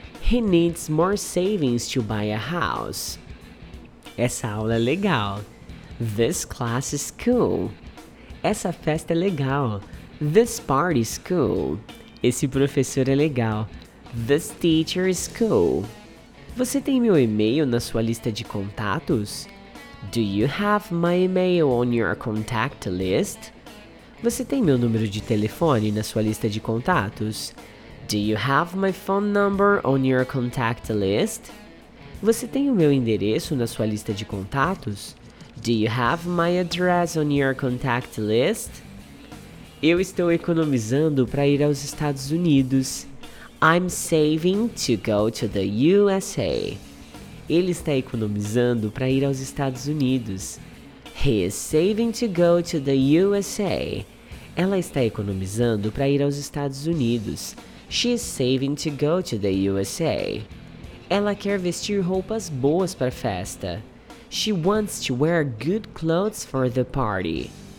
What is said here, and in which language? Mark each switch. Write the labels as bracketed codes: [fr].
[en] He needs more savings to buy a house. [pt] Essa aula é legal. [en] This class is cool. [pt] Essa festa é legal. [en] This party is cool. [pt] Esse professor é legal. [en] This teacher is cool. [pt] Você tem meu e-mail na sua lista de contatos? [en] Do you have my email on your contact list? [pt] Você tem meu número de telefone na sua lista de contatos? [en] Do you have my phone number on your contact list? [pt] Você tem o meu endereço na sua lista de contatos? [en] Do you have my address on your contact list? [pt] Eu estou economizando para ir aos Estados Unidos. [en] I'm saving to go to the USA. [pt] Ele está economizando para ir aos Estados Unidos. [en] He is saving to go to the USA. [pt] Ela está economizando para ir aos Estados Unidos. [en] She is saving to go to the USA. [pt] Ela quer vestir roupas boas para a festa. [en] She wants to wear good clothes for the party.